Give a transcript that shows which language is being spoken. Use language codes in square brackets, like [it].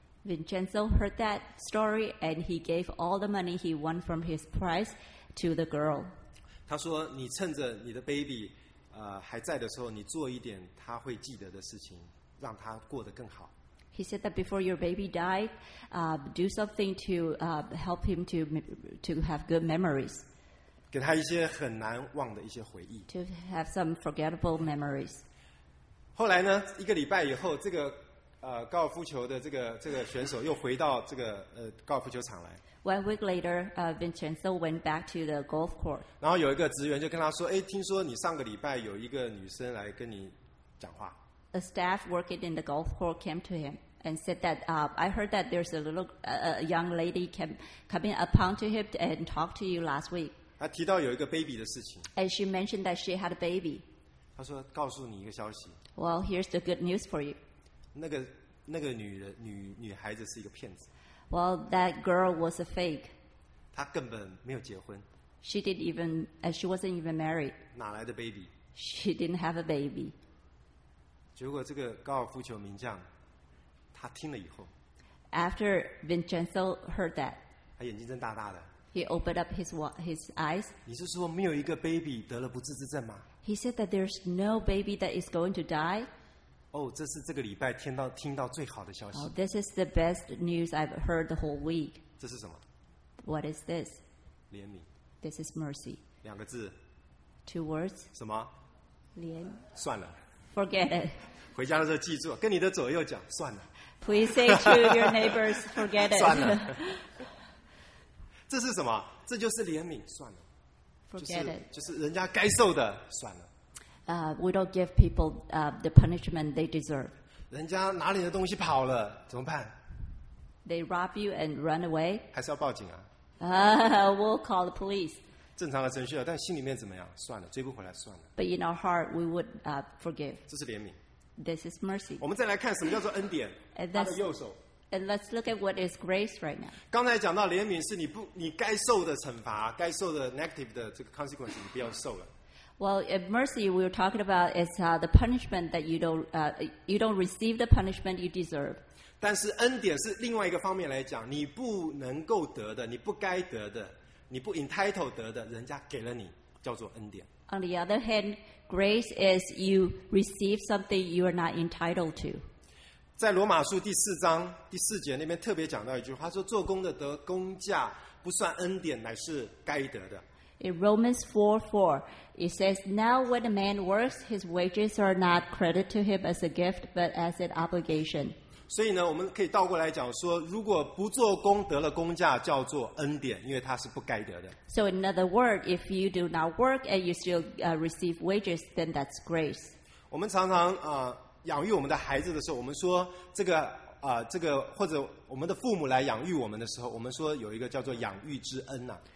[en] Vincenzo heard that story and he gave all the money he won from his prize to the girl. [zh] 他说：“你趁着你的 baby 还在的时候，你做一点他会记得的事情。” 让他过得更好。 [en] He said that before your baby died, do something to help him to have good memories. [zh] 给他一些很难忘的一些回忆。 [en] To have some forgettable memories. [zh] 后来呢，一个礼拜以后，这个高尔夫球的这个选手又回到这个高尔夫球场来。 [en] One week later, Vincenzo went back to the golf course. [zh] 然后有一个职员就跟他说：“哎，听说你上个礼拜有一个女生来跟你讲话。” [en] A staff working in the golf course came to him and said that I heard that there's a little young lady coming upon to him and talked to you last week. [zh] 他提到有一个 baby 的事情。 [en] And she mentioned that she had a baby. [zh] 他说告诉你一个消息。 [en] Well, here's the good news for you. [zh] 那个女孩子是一个骗子。 [en] Well, that girl was a fake. [zh] 她根本没有结婚。 [en] She wasn't even married. [zh] 哪来的 baby? [en] She didn't have a baby. [zh] 结果这个高尔夫球名将，他听了以后 [en] After Vincenzo heard that, [zh] 他眼睛睁大大的。 [en] He opened up his eyes. [zh] 你是说没有一个 baby 得了不治之症吗？ [en] He said that there's no baby that is going to die. [zh] 哦，这是这个礼拜听到最好的消息。 [en] Oh, this is the best news I've heard the whole week. [zh] 这是什么？ [en] What is this? [zh] 怜悯。 [en] This is mercy. [zh] 两个字。 [en] Two words. [zh] 什么？怜。算了。 [en] Forget it. [zh] 回家的时候记住，跟你的左右讲，算了。 [en] Please say to your neighbors, forget it. [zh] 算了。这是什么？这就是怜悯，算了。 [en] Forget it. [zh] 就是人家该受的，算了。 [en] We don't give people the punishment they deserve. [zh] 人家拿你的东西跑了，怎么办？ [en] They rob you and run away. [zh] 还是要报警啊？ [en] We'll call the police. [zh] 正常的程序了，但心里面怎么样？算了，追不回来算了。 [en] But in our heart, we would forgive. [zh] 这是怜悯。 [en] This is mercy. [zh] 我们再来看什么叫做恩典。他的右手。 [en] And let's look at what is grace right now. [zh] 刚才讲到怜悯是你该受的惩罚，该受的 [en] negative [zh] 的这个 [en] consequence， [zh] 你不要受了。 [en] Well, in mercy, we were talking about is the punishment that you don't receive the punishment you deserve. [zh] 但是恩典是另外一个方面来讲，你不能够得的，你不该得的。你不 entitled 得的，人家给了你，叫做恩典。 [en] On the other hand, grace is you receive something you are not entitled to. [zh] 在罗马书第四章第四节那边特别讲到一句话，他说做工的得工价，不算恩典，乃是该得的。 [en] In Romans 4:4, it says, "Now when a man works, his wages are not credited to him as a gift, but as an obligation." [zh] 所以呢，我们可以倒过来讲说，如果不做工得了工价，叫做恩典，因为它是不该得的。 [en] So in other words, if you do not work and you still receive wages, then that's grace. [zh] 我们常常养育我们的孩子的时候，我们说这个或者我们的父母来养育我们的时候，我们说有一个叫做养育之恩呐。